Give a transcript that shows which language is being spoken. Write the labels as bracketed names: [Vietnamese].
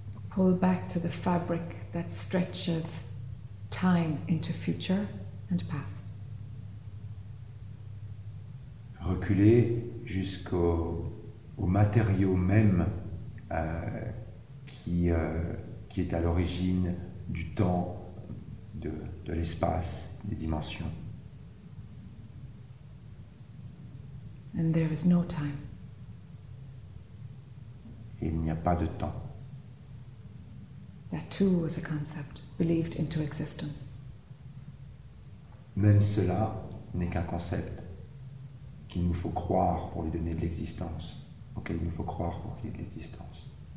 [English] Pull back to the fabric that stretches time into future and past. [French] Reculer jusqu'au matériau même qui est à l'origine du temps, de l'espace, des dimensions. [English] And there is no time. [French] Et il n'y a pas de temps. [English] That too was a concept believed into existence. [French] Même cela n'est qu'un concept qu'il nous faut croire pour lui donner de l'existence, auquel il nous faut croire pour qu'il y ait de l'existence.